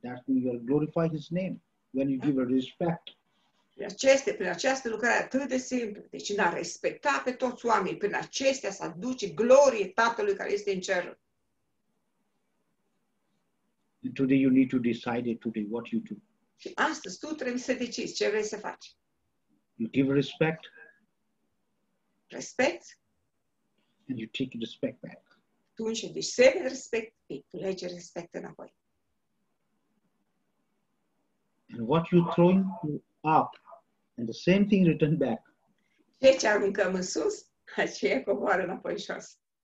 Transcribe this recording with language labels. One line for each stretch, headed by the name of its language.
English: That means you glorify His name when you give a respect.
Romanian: Prin această lucrare atât de simplu, deci în a respecta pe toți oamenii, prin acestea să aduce glorie Tatălui care este în cer.
English: Today you need to decide today what you do.
Romanian: Și astăzi tu trebuie să decizi ce vrei să faci.
English: You give respect.
Romanian: Respect.
English: And you take respect back.
Romanian: Tu începi să le respect, tu lege respect înapoi.
English: And what you throw up, and the same thing return back.
Romanian: Ce ce aruncăm în sus, aceea coboară înapoi în jos.